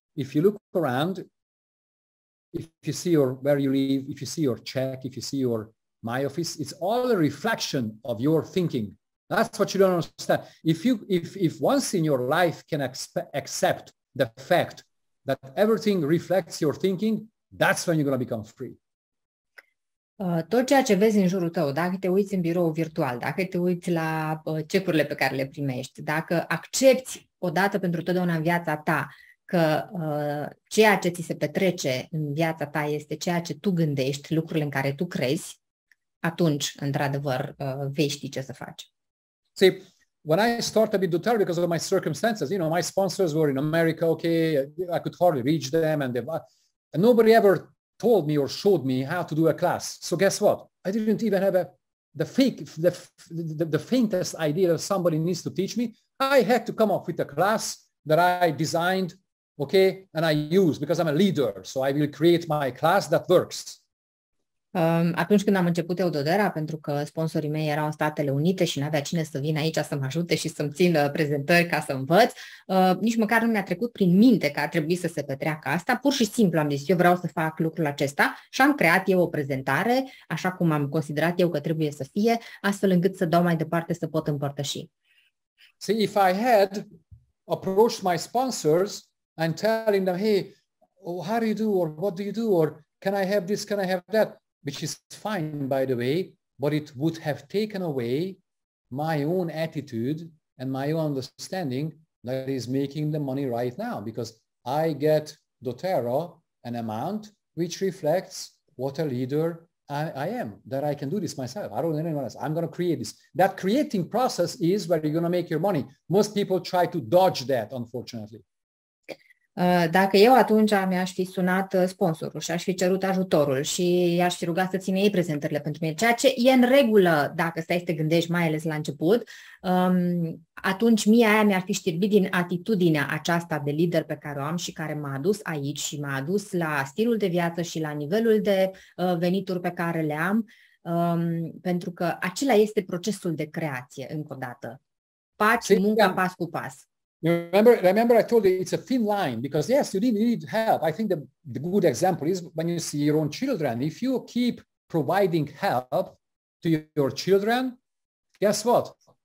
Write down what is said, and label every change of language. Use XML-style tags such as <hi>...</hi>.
<en>If you look around, if you see your where you live, if you see your check, if you see your my office, it's all a reflection of your thinking. That's what you don't understand. If once in your life can accept the fact that everything reflects your thinking, that's when you're going to become free.</en> <ro>Tot ceea ce vezi în jurul tău, dacă te uiți în birou virtual, dacă te uiți la cecurile pe care le primești, dacă accepti odată pentru totdeauna în viața ta că ceea ce ți se petrece în viața ta este ceea ce tu gândești, lucrurile în care tu crezi, atunci, într-adevăr, vei ști ce să faci.</ro> <en>See, when I started with Doterra because of my circumstances, you know, my sponsors were in America, okay, I could hardly reach them and nobody ever told me or showed me how to do a class. So guess what? I didn't even have the faintest idea that somebody needs to teach me. I had to come up with a class that I designed. Okay, and I use because I'm a leader, so I will create my class that works.</en> <ro>Atunci când am început Eudodera, pentru că sponsorii mei erau în Statele Unite și n-avea cine să vină aici să mă ajute și să-mi țin prezentări ca să învăț, nici măcar nu mi-a trecut prin minte că ar trebui să se petreacă asta. Pur și simplu am zis, eu vreau să fac lucrul acesta și am creat eu o prezentare, așa cum am considerat eu că trebuie să fie, astfel încât să dau mai departe să pot împărtăși.</ro> <en>See, if I had approached my sponsors and telling them, hey, how do you do, or what do you do, or can I have this, can I have that, which is fine, by the way, but it would have taken away my own attitude and my own understanding that is making the money right now, because I get doTERRA an amount which reflects what a leader I am, that I can do this myself. I don't need anyone else. I'm going to create this. That creating process is where you're going to make your money. Most people try to dodge that, unfortunately.</en> <ro>Dacă eu atunci mi-aș fi sunat sponsorul și aș fi cerut ajutorul și i-aș fi rugat să țină ei prezentările pentru mine, ceea ce e în regulă dacă stai să te gândești, mai ales la început, atunci mie aia mi-ar fi știrbit din atitudinea aceasta de lider pe care o am și care m-a adus aici și m-a adus la stilul de viață și la nivelul de venituri pe care le am, pentru că acela este procesul de creație, încă o dată. Pace, muncă, pas cu pas.</ro> <en>Remember, I told you it's a thin line because yes, you need help. I think the good example is when you see your own children. If you keep providing help to your children, guess what?</en>